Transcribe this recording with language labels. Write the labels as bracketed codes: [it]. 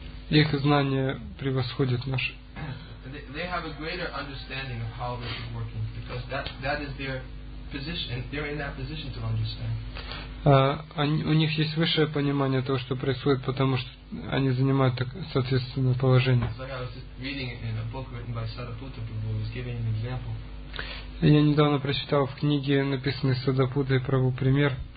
[ru] Их знания превосходят наши. [en] They have a greater understanding of how this is working because that is their position. They're in that position to understand. [ru] У них есть высшее понимание того, что происходит, потому что они занимают так соответственное положение. [en] So I was reading in a book written by Sariputta Prabhu, who was giving an example. [ru] Я недавно прочитал в книге, написанной Сарипуттой Прабху, пример.